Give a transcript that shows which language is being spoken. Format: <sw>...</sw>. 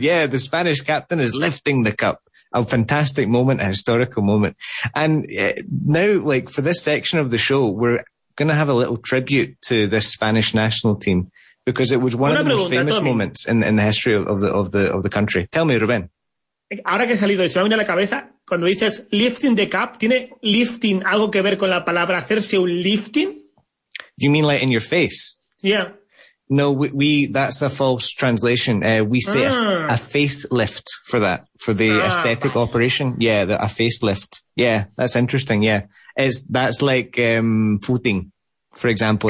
<en>Yeah, the Spanish captain is lifting the cup. A fantastic moment, a historical moment. And now, like for this section of the show, we're going to have a little tribute to this Spanish national team because it was one of the most famous moments in the history of the country. Tell me, Rubén.</en> <es>Ahora que he salido de la cabeza, cuando dices</es> <en>lifting the cup,</en> <es>¿tiene lifting algo que ver con la palabra hacerse un lifting?</es> <en>You mean like in your face? Yeah. No, we that's a false translation. We say a facelift for that, for the aesthetic operation. Yeah, a facelift. Yeah, that's interesting. Yeah. That's like footing, for example.</en>